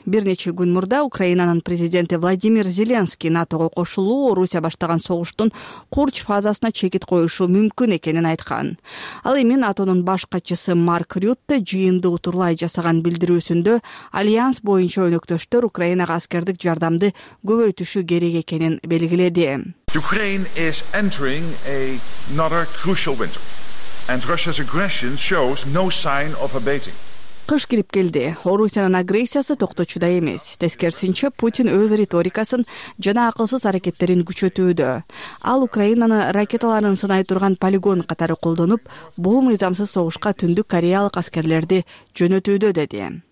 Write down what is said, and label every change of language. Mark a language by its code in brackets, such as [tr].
[ky] Бир нече күн мурда Украинанын президенти Владимир Зеленский НАТОго кошулуу Орусия баштаган согуштун курч фазасына чекит коюшу мүмкүн экенин айткан. Ал эми НАТОнун баш катчысы Марк Рютте жыйынды утурлай жасаган билдирүүсүндө альянс боюнча өнөктөштөр Украинага аскердик жардамды көбөйтүшү керек экенин белгиледи. [en] Ukraine is entering another crucial winter and Russia's aggression shows no sign of abating. [ky] Кыш кирип келди. Орусиянын агрессиясы токточуда эмес. Тескерсинче, Путин өз риторикасын жана акылсыз аракеттерин күчөтүүдө. Ал Украинаны ракеталарын сынай турган полигон катары колдонуп, бул мыйзамсыз согушка Түндүк Кореялык аскерлерди жөнөтүүдө, деди.